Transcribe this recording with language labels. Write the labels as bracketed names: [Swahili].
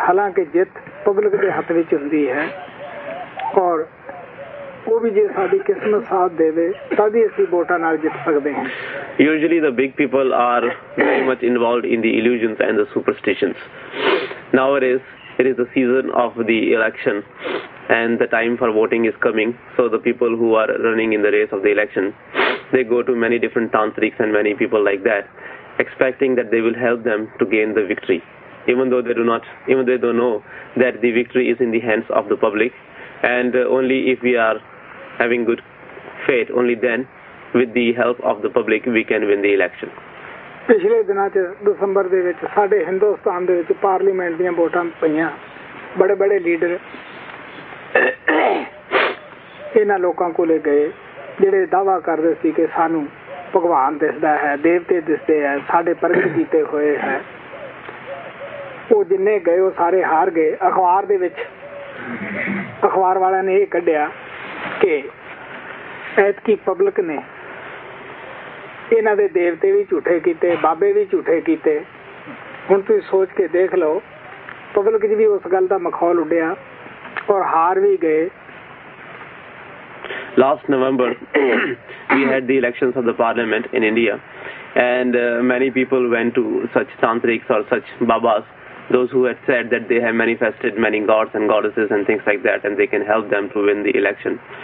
[Punjabi] ਹਾਲਾਂਕਿ ਜਿੱਤ ਪਬਲਿਕ ਦੇ ਹੱਥ ਵਿੱਚ ਹੁੰਦੀ ਹੈ, ਔਰ ਉਹ ਵੀ ਜੇ ਸਾਡੀ ਕਿਸਮਤ ਸਾਥ ਦੇਵੇ ਤਦ ਹੀ ਅਸੀਂ ਵੋਟਾਂ ਨਾਲ ਜਿੱਤ ਸਕਦੇ ਹਾਂ। [English] Usually the big people are very much involved in the illusions and the superstitions now is. It is the season of the election, and the time for voting is coming. So the people who are running in the race of the election, they go to many different tantrics and many people like that, expecting that they will help them to gain the victory. Even though they don't know that the victory is in the hands of the public, and only if we are having good faith, only then, with the help of the public, we can win the election. [Punjabi] ਪਿਛਲੇ ਦਿਨਾਂ 'ਚ ਦਸੰਬਰ ਦੇ ਵਿੱਚ ਸਾਡੇ ਹਿੰਦੁਸਤਾਨ ਦੇ ਵਿੱਚ parliament ਦੀਆਂ ਵੋਟਾਂ ਪਈਆਂ ਬੜੇ ਬੜੇ ਲੀਡਰ ਇਹਨਾਂ ਲੋਕਾਂ ਕੋਲ ਗਏ ਜਿਹੜੇ ਦਾਅਵਾ ਕਰਦੇ ਸੀ ਕਿ ਸਾਨੂੰ ਭਗਵਾਨ ਦਿਸਦਾ ਹੈ ਦੇਵਤੇ ਦਿਸਦੇ ਹੈ ਸਾਡੇ ਪ੍ਰਗਟ ਕੀਤੇ ਹੋਏ ਹੈ ਉਹ ਜਿੰਨੇ ਗਏ ਉਹ ਸਾਰੇ ਹਾਰ ਗਏ ਅਖਬਾਰ ਦੇ ਵਿੱਚ ਅਖਬਾਰ ਵਾਲਿਆਂ ਨੇ ਇਹ ਕੱਢਿਆ ਕਿ ਐਤਕੀ ਪਬਲਿਕ ਨੇ ਇਹਨਾਂ ਦੇ ਦੇਵਤੇ ਵੀ ਝੂਠੇ ਕੀਤੇ ਬਾਬੇ ਵੀ ਝੂਠੇ ਕੀਤੇ ਹੁਣ ਤੁਸੀਂ ਸੋਚ ਕੇ ਦੇਖ ਲਓ ਪਬਲਿਕ 'ਚ ਵੀ ਉਸ ਗੱਲ ਦਾ ਮਖੌਲ ਉੱਡਿਆ ਔਰ ਹਾਰ ਵੀ ਗਏ [English] Last November, we had the elections of the parliament in India, and many people went to such tantrics or such babas, those who had said that they have manifested many gods and goddesses and things like that, and they can help them to win the election.